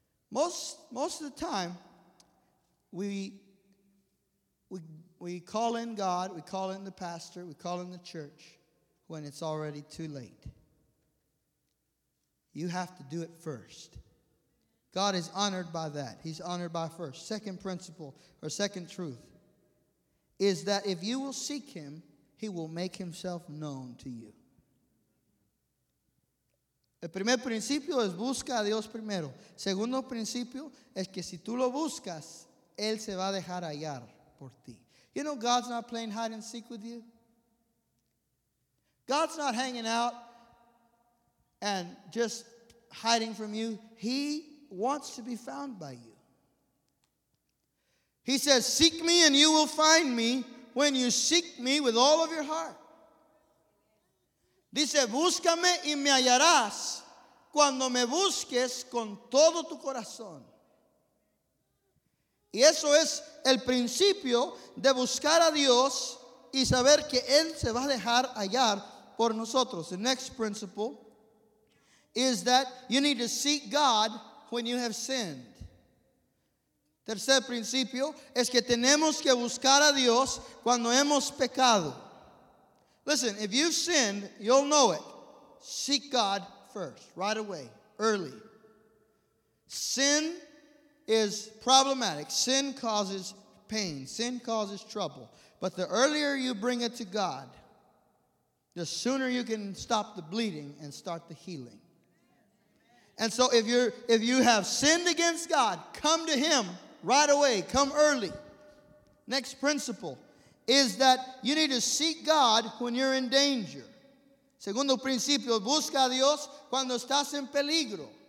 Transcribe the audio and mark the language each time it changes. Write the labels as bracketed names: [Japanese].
[English] Most of the time, we call in God, we call in the pastor, we call in the church, when it's already too late. You have to do it first. God is honored by that. He's honored by first. Second principle, or second truth, is that if you will seek him, he will make himself known to you. [Spanish] El primer principio es busca a Dios primero. Segundo principio es que si tú lo buscas, él se va a dejar hallar por ti. [English] You know, God's not playing hide and seek with you. God's not hanging out and just hiding from you. He wants to be found by you. He says, seek me and you will find me when you seek me with all of your heart. [Spanish] Dice, búscame y me hallarás cuando me busques con todo tu corazón. Y eso es el principio de buscar a Dios y saber que Él se va a dejar hallar. [English] For nosotros, the next principle is that you need to seek God when you have sinned. [Spanish] Tercer principio es que tenemos que buscar a Dios cuando hemos pecado. [English] Listen, if you've sinned, you'll know it. Seek God first, right away, early. Sin is problematic. Sin causes pain. Sin causes trouble. But the earlier you bring it to God, the sooner you can stop the bleeding and start the healing. And so if you have sinned against God, come to him right away. Come early. Next principle is that you need to seek God when you're in danger. [Spanish] Segundo principio, busca a Dios cuando estás en peligro.